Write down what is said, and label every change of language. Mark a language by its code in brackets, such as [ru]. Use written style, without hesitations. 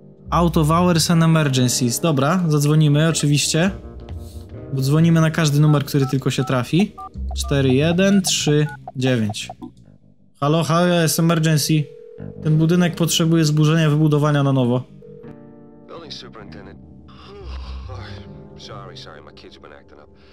[en] Out of hours and emergencies. [pl] Dobra, zadzwonimy oczywiście. Bo dzwonimy na każdy numer, który tylko się trafi. 4139. Halo, halo, jest emergency. Ten budynek potrzebuje zburzenia, wybudowania na nowo. [en] Building superintendent. Sorry, sorry, my kids have been acting up.